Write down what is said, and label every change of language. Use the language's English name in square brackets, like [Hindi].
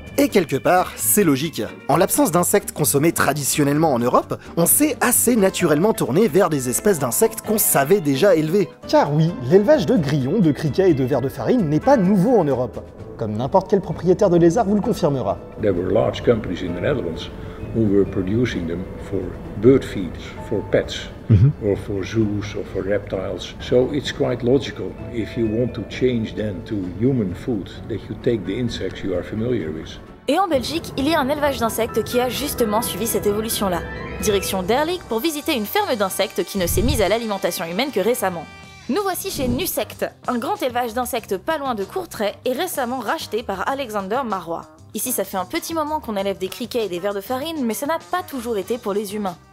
[French] Et quelque part, c'est logique. En l'absence d'insectes consommés traditionnellement en Europe, on s'est assez naturellement tourné vers des espèces d'insectes qu'on savait déjà élever. Car oui, l'élevage de grillons, de criquets et de vers de farine n'est pas nouveau en Europe, comme n'importe quel propriétaire de lézard vous le confirmera. [English] There were large companies in the Netherlands who were producing them for bird feeds, for pets, or for zoos or for reptiles. So it's quite logical if you want to change then to human food that you take the insects you are familiar with. [French] Et en Belgique, il y a un élevage d'insectes qui a justement suivi cette évolution-là. Direction Derlik pour visiter une ferme d'insectes qui ne s'est mise à l'alimentation humaine que récemment. Nous voici chez Nusect, un grand élevage d'insectes pas loin de Courtrai et récemment racheté par Alexander Marois. Ici, ça fait un petit moment qu'on élève des criquets et des vers de farine, mais ça n'a pas toujours été pour les humains.